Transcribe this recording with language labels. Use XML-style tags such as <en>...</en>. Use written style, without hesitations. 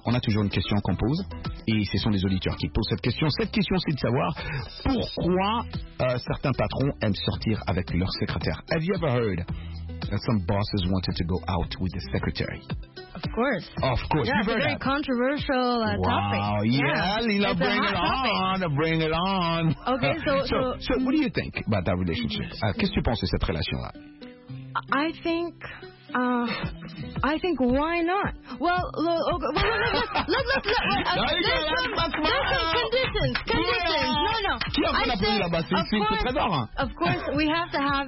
<fr>On a toujours une question qu'on pose et ce sont les auditeurs qui posent cette question. Cette question, c'est de savoir pourquoi certains patrons aiment sortir avec leur secrétaire.</fr> <en>Have you ever heard that some bosses wanted to go out with the secretary? Of course. Yeah, it's a very controversial topic. Wow, yeah, Lila, bring it on. Okay, so what do you think about that relationship?</en> <fr>Qu'est-ce que tu penses de cette relation-là?</fr> <en>I think why not? Well, conditions. Of course, we have to have.</en>